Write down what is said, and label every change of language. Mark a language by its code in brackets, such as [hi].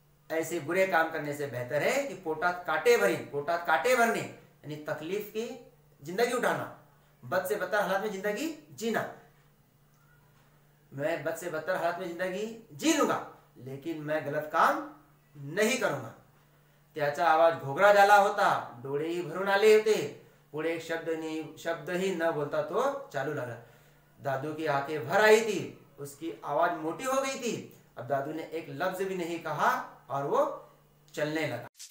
[hi] ऐसे बुरे काम करने से बेहतर है कि [mr] पोटात काटे [hi] भरने यानी तकलीफ की जिंदगी उठाना, बद से बदतर हालत में जिंदगी जीना। मैं बद से बदतर हालत में जिंदगी जी लूंगा लेकिन मैं गलत काम नहीं करूंगा। [mr] त्याचा आवाज घोगरा झाला होता, डोळे ही भरून आले होते, पुढे एक शब्द ही न बोलता तो चालू लागला। [hi] दादू की आंखें भर आई थी, उसकी आवाज मोटी हो गई थी। अब दादू ने एक लफ्ज भी नहीं कहा और वो चलने लगा।